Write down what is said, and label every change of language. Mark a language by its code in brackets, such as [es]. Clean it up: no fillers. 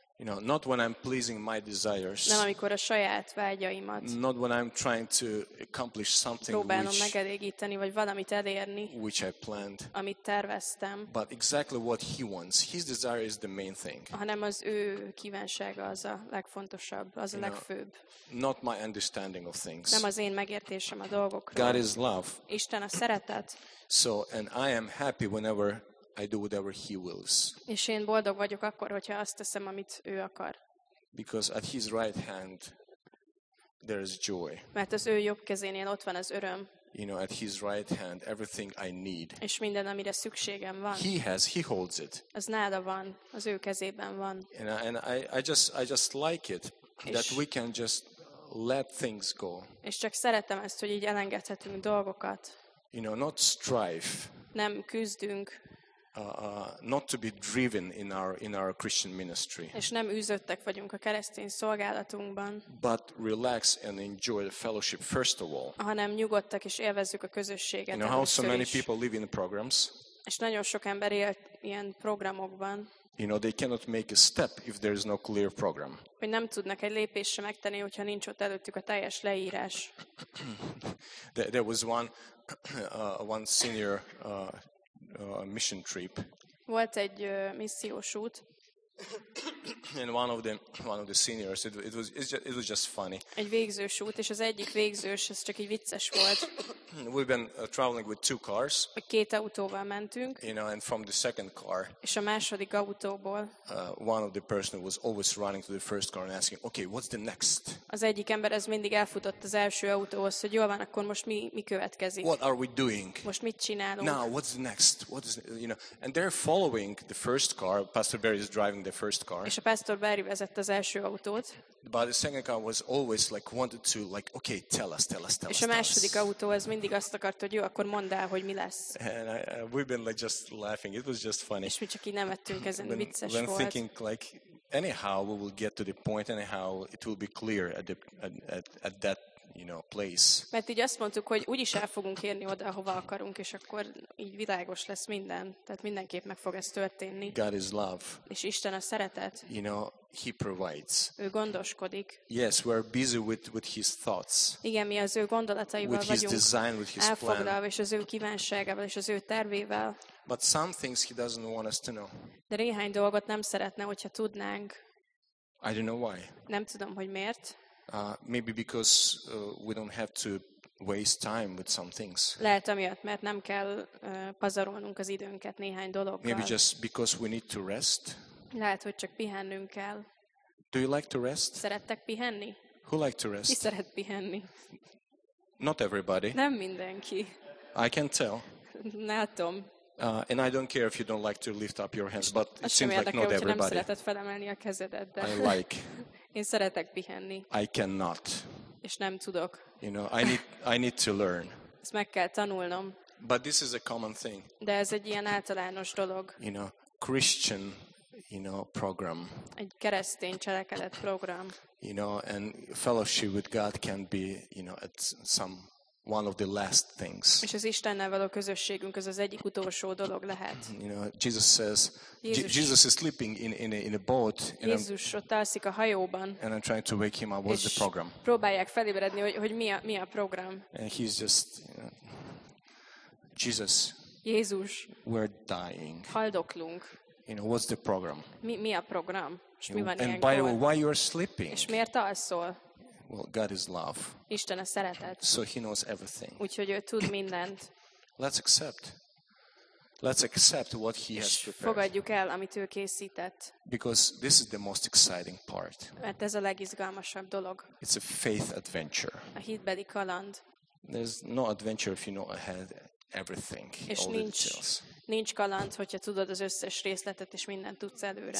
[en] You know, not when I'm pleasing my desires. [hu] Nem amikor a saját vágyaimat. [en] Not when I'm trying to accomplish something which. [hu] Próbálom megelégíteni vagy valamit elérni. [en] Which I planned. [hu] Amit terveztem. [en] But exactly what he wants. His desire is the main thing. [hu] Hanem az ő kívánsága az a legfontosabb, az a legfőbb. [en] Not my understanding of things. [hu] Nem az én megértésem a dolgokról. [en] God is love. [hu] Isten a szeretet. [en] So and I am happy whenever I do whatever he wills. [hu] És én boldog vagyok akkor, hogyha azt teszem, amit ő akar. [en] Because at his right hand there is joy. [hu] Mert az ő jobb kezénél ott van az öröm. [en] You know, at his right hand everything I need. [hu] És minden, amire szükségem van. [en] He holds it. [hu] Az nála van, az ő kezében van. [en] And I just like it that we can just let things go. [hu] És csak szeretem ezt, hogy így elengedhetünk dolgokat. [en] You know, not strife. [hu] Nem küzdünk. [en] Not to be driven in our Christian ministry. [hu] És nem űzöttek vagyunk a keresztény szolgálatunkban. [en] But relax and enjoy the fellowship first of all. [hu] Hanem nyugodtak és élvezzük a közösséget. [en] You know, how so many people live in the programs? [hu] És nagyon sok ember él ilyen programokban. [en] You know, they cannot make a step if there is no clear program. [hu] Hogy nem tudnak egy lépést sem megtenni, hogyha nincs ott előttük a teljes leírás. [en] There was one senior mission trip. [hu] Volt egy missziós út. [en] And one of the seniors, it was just funny. [hu] Egy végzős út, és az egyik végzős, ez csak egy vicces volt. [en] We've been traveling with two cars. [hu] Két autóval mentünk. [en] You know, and from the second car. [hu] És a második autóból. [en] One of the person was always running to the first car and asking, okay, what's the next? [hu] Az egyik ember ez mindig elfutott az első autóhoz, hogy jól van, akkor most mi következik? [en] What are we doing? [hu] Most mit csinálunk? [en] Now, what's the next? You know, and they're following the first car. Pastor Barry is driving the first car. [hu] És a Pastor Barry vezette az első autót. [en] But the second car was always like wanted to like, okay, tell us. [hu] És a második autó ez mindig azt akart, hogy jó, akkor mondd el, hogy mi lesz. [en] And we've been like just laughing. It was just funny. [hu] És mi csak így nevettünk ezen, vicces volt. [en] When thinking like, anyhow, we will get to the point. Anyhow, it will be clear at that place. [hu] Mert így azt mondtuk, hogy úgyis el fogunk érni oda, ahova akarunk, és akkor így világos lesz minden. Tehát mindenképp meg fog ez történni. [en] God is love. [hu] És Isten a szeretet. [en] You know, he provides. [hu] Ő gondoskodik. [en] Yes, we are busy with his thoughts. [hu] Igen, mi az ő gondolataival vagyunk. [en] With his design, with his plan. [hu] Elfoglalva, és az ő kívánságával, és az ő tervével. [en] But some things he doesn't want us to know. [hu] De néhány dolgot nem szeretne, hogyha tudnánk. [en] I don't know why. [hu] Nem tudom, hogy miért. [en] Maybe because we don't have to waste time with some things. [hu] Lehet amiatt, mert nem kell pazarolnunk az időnket néhány dologgal. [en] Maybe just because we need to rest. [hu] Lehet, hogy csak pihennünk kell. [en] Do you like to rest? [hu] Szerettek pihenni? [en] Who like to rest? [hu] Ki szeret pihenni? [en] Not everybody. [hu] Nem mindenki. [en] I can tell. [hu] Látom. [en] And I don't care if you don't like to lift up your hands, but it seems like not everybody. [hu] Nem szereted felemelni a kezedet, de. [en] I like. [hu] Én szeretek pihenni. [en] I cannot. [hu] És nem tudok. [en] You know, I need to learn. [hu] Ezt meg kell tanulnom. [en] But this is a common thing. [hu] De ez egy ilyen általános dolog. [en] You know, Christian, program. [hu] Egy keresztény cselekedet program. [en] You know, and fellowship with God can be, at some one of the last things. [hu] És az Istennel való közösségünk az egyik utolsó dolog lehet. [en] You know, Jesus says, Jesus is sleeping in a boat. [hu] Jézus ott alszik a hajóban. [en] And I'm trying to wake him up. What's the program? [hu] Próbálják felébredni, hogy mi a program. [en] And he's just, Jesus. [hu] Jézus. [en] We're dying. [hu] Haldoklunk. [en] What's the program? [hu] Mi a program? És mi van [en] and by the way, why you're sleeping? [hu] És miért alszol? [en] Well, God is love. [hu] Isten a szeretet. [en] So he knows everything. [hu] Úgyhogy ő tud mindent. [en] Let's accept. Let's accept what he has prepared. [hu] Fogadjuk el, amit ő készített. [en] Because this is the most exciting part. [hu] Mert ez a legizgalmasabb dolog. [en] It's a faith adventure. [hu] A hitbeli kaland. [en] There's no adventure if you know ahead everything. [hu] És [en] all [hu] nincs. [en] The details. [hu] Nincs kaland, hogyha tudod az összes részletet és mindent tudsz előre.